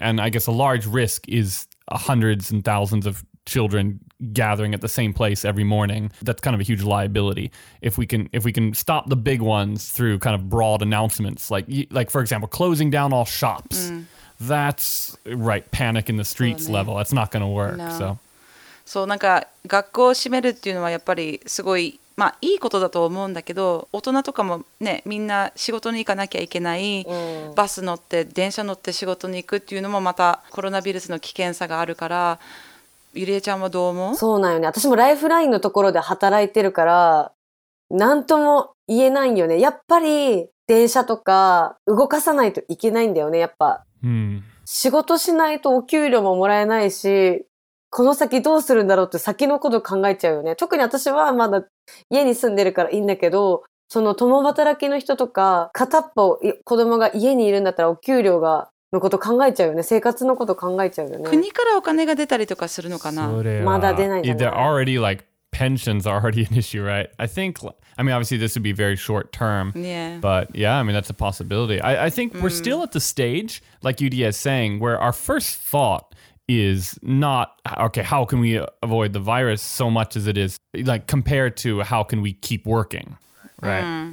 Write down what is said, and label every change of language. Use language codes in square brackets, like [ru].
[en] And I guess a large risk is hundreds and thousands of children gathering at the same place every morning. That's kind of a huge liability. If we can stop the big ones through kind of broad announcements, like for example, closing down all shops, that's right, panic in the streets level. That's not going to work. No. [ja] そう、なんか学校を閉めるっていうのはやっぱりすごい、まあ、いいことだと思うんだけど、大人とかもね、みんな仕事に行かなきゃいけない、バス乗って電車乗って仕事に行くっていうのもまたコロナウイルスの危険さがあるから、ゆりえちゃんはどう思う？そうなんよね、私もライフラインのところで働いてるから何とも言えないよね。やっぱり電車とか動かさないといけないんだよね、やっぱ、仕事しないとお給料ももらえないし、この先どうするんだろうって先のこと考えちゃうよね。特に私はまだ家に住んでるからいいんだけど、その共働きの人とか、片っぽ子供が家にいるんだったらお給料がのこと考えちゃうよね。生活のこと考えちゃうよね。国からお金が出たりとかするのかな？それはまだ出ないじゃない。 [en] They're already like pensions are already an issue, right? I think, I mean, obviously this would be very short term. Yeah. But yeah, I mean, that's a possibility. I think we're still at the stage, like Yurie is saying, where our first thoughtis not, okay, how can we avoid the virus so much as it is, like, compared to how can we keep working, right?